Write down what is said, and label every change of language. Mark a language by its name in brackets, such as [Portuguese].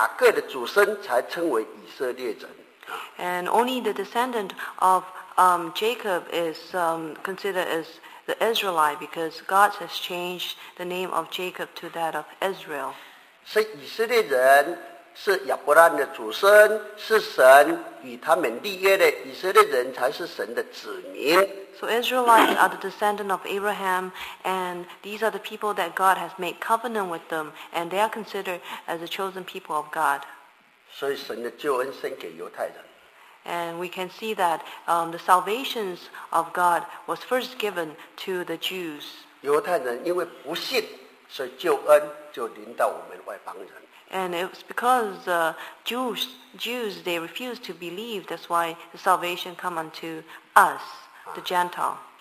[Chinese] 那从雅各生的，才称啊，神把雅各改名叫以色列，所以以雅各的祖孙才称为以色列人。 [English] And only the descendant of Jacob is considered as the Israelite, because God has changed the name of Jacob to that of Israel. [Chinese] 是以色列人，是亚伯拉罕的祖孙，是神与他们立约的以色列人，才是神的子民。 [English] So Israelites are the descendants of Abraham, and these are the people that God has made covenant with them, and they are considered as the chosen people of God. [Chinese] 所以神的救恩先给犹太人。 [English] And we can see that the salvations of God was first given to the Jews. [Chinese] 犹太人因为不信, 所以救恩就临到我们外邦人。 [English] And it was because Jews, they refused to believe. That's why the salvation come unto us, the Gentile.